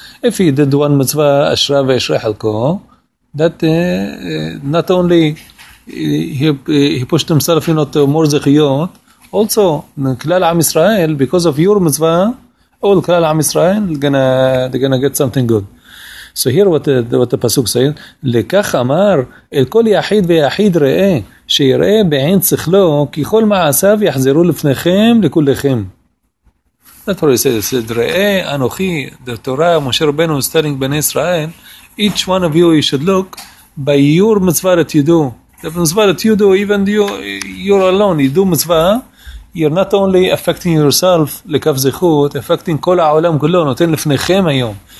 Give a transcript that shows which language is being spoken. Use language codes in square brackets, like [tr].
[en] If he did one mitzvah, [he] ashra ve ashra halko, [en] that not only he pushed himself, you know, to more zechuyot, also, klal am Israel, because of your mitzvah, all klal am Israel, they're going to get something good. [he] So here what the pasuk says, לכך אמר אל כל יחיד ויחיד ראה שיראה בעין שכלו כי כל מעשיו יחזרו לפניכם לכולכם. [en] That's what he says. He said, [he] ראה אנוכי, [en] the Torah, משה רבנו is telling בני ישראל, each one of you you should look by your mitzvah that you do. The mitzvah that you do, even you're alone, you do mitzvah, you're not only affecting yourself, לכף זכות, affecting [he] כל העולם כולו, נותן לפניכם היום.